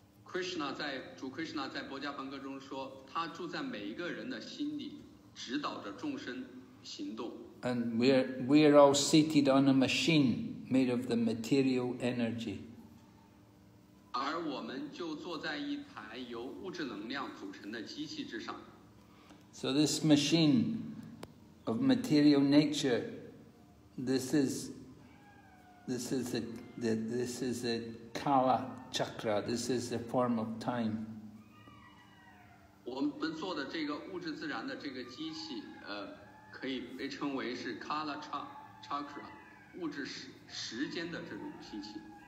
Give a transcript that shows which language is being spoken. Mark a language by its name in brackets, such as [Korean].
[Chinese] Krishna 在主 Krishna 在波迦梵歌中说，他住在每一个人的心里，指导着众生行动。 [English] And we're all seated on a machine made of the material energy. [Chinese] 而我们就坐在一台由物质能量组成的机器之上。 [English] So this machine of material nature, this is the Kala Chakra. This is the form of time. [Chinese] 我们坐的这个物质自然的这个机器，可以被称为是 Kala Chakra， 物质时间的这种机器。